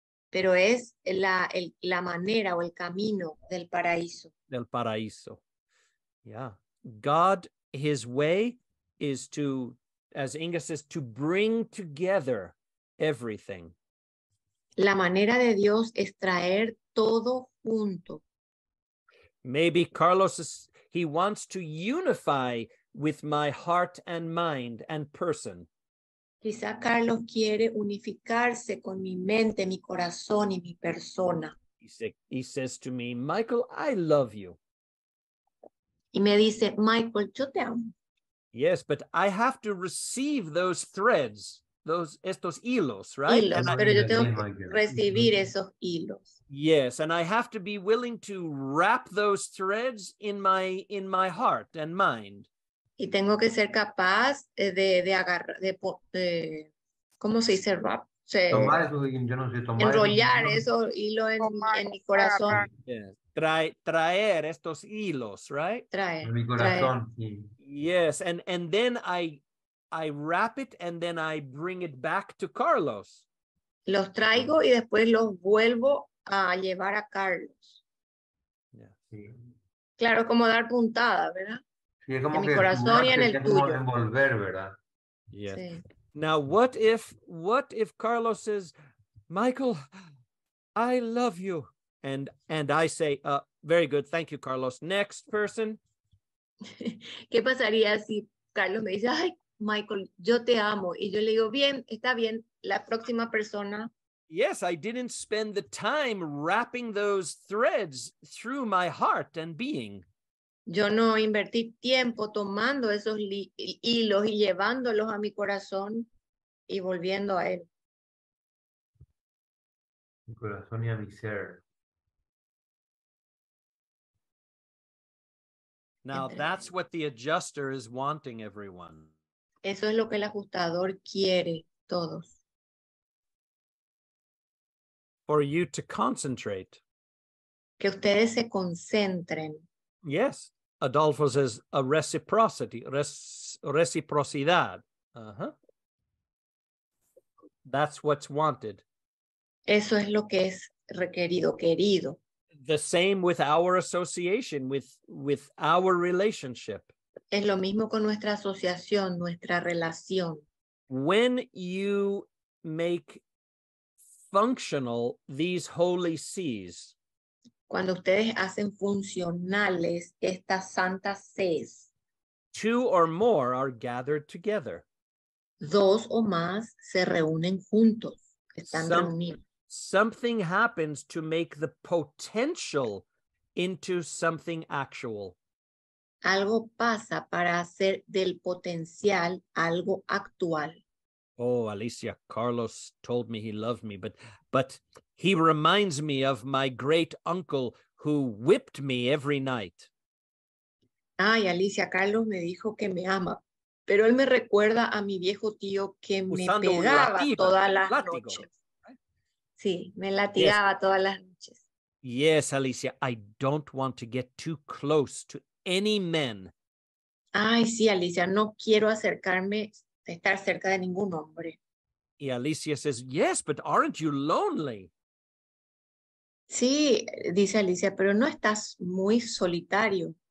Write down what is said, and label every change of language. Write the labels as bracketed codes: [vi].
[es] Pero es la manera o el camino del paraíso. Del paraíso. [en] Yeah. God, his way is to, as Inga says, to bring together everything. [es] La manera de Dios es traer todo junto. [en] Maybe Carlos, he wants to unify with my heart and mind and person. [es] Quizá Carlos quiere unificarse con mi mente, mi corazón y mi persona. [en] He says to me, Michael, I love you. [es] Y me dice, Michael, yo te amo. [en] Yes, but I have to receive those threads, [es] estos hilos, [en] right? [es] Hilos, and pero yo tengo que recibir esos hilos. [en] Yes, and I have to be willing to wrap those threads in my heart and mind. [es] Y tengo que ser capaz de agarrar, de ¿cómo se dice? Rap, enrollar esos hilos en mi corazón. [en] Yes. [es] Traer estos hilos, [en] right? [es] Traer. En mi corazón. Traer. [en] Yes, and then I wrap it and then I bring it back to Carlos. [es] Los traigo y después los vuelvo a llevar a Carlos. [en] Yeah. [es] Sí. Claro, como dar puntada, ¿verdad? Sí, como en que mi corazón y en el tuyo. Envolver, ¿verdad? [en] Yes. [es] Sí. [en] Now, what if Carlos says, Michael, I love you. And I say, very good. Thank you, Carlos. Next person. [es] ¿Qué pasaría si Carlos me dice, ay, Michael, yo te amo? Y yo le digo, bien, está bien. La próxima persona. [en] Yes, I didn't spend the time wrapping those threads through my heart and being. [es] Yo no invertí tiempo tomando esos hilos y llevándolos a mi corazón y volviendo a él. Mi corazón y a mi ser. [en] Now that's what the adjuster is wanting, everyone. [es] Eso es lo que el ajustador quiere, todos. [en] For you to concentrate. [es] Que ustedes se concentren. [en] Yes. Adolfo says a reciprocity, reciprocidad. Uh-huh. That's what's wanted. [es] Eso es lo que es requerido, querido. [en] the same with our association, with our relationship. [es] Es lo mismo con nuestra asociación, nuestra relación. [en] When you make functional these holy sees, [es] cuando ustedes hacen funcionales estas santas sees, [en] two or more are gathered together. [es] Dos o más se reúnen juntos, están reunidos. [en] Something happens to make the potential into something actual. [es] Algo pasa para hacer del potencial algo actual. [en] Oh, Alicia, Carlos told me he loved me, but he reminds me of my great uncle who whipped me every night. [es] Ay, Alicia, Carlos me dijo que me ama, pero él me recuerda a mi viejo tío que usando me pegaba latigo, todas las latigo. Noches. Sí, me latigaba todas las noches. [en] Yes, Alicia, I don't want to get too close to any men. [es] Ay, sí, Alicia, no quiero acercarme, estar cerca de ningún hombre. [en] Y Alicia says, yes, but aren't you lonely? [es] Sí, dice Alicia, pero no estás muy solitario.